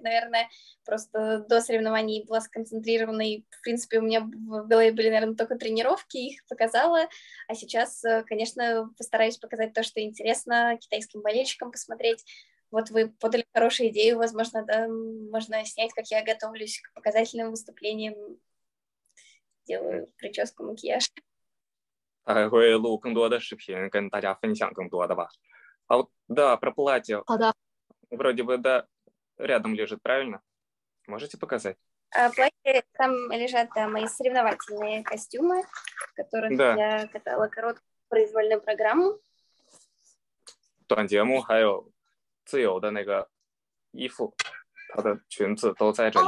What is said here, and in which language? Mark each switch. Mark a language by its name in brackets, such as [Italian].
[Russian] Наверное, просто до соревнований была сконцентрирована, и, в принципе, у меня в голове были, наверное, только тренировки, их показала. А сейчас, конечно, постараюсь показать то, что интересно китайским болельщикам посмотреть. Вот вы подали хорошую идею, возможно, да, можно снять, как я готовлюсь к показательным выступлениям. Делаю прическу, макияж. [Chinese] 还会录更多的视频跟大家分享更多的吧。哦，对， [Russian] про платье， [Chinese] 好的， [Russian] вроде бы да рядом лежит, правильно? Можете показать? платье, там лежат, да, мои соревновательные костюмы, в которых Да. я катала короткую произвольную программу. [Chinese] 短节目还有自由的那个衣服，她的裙子都在这里，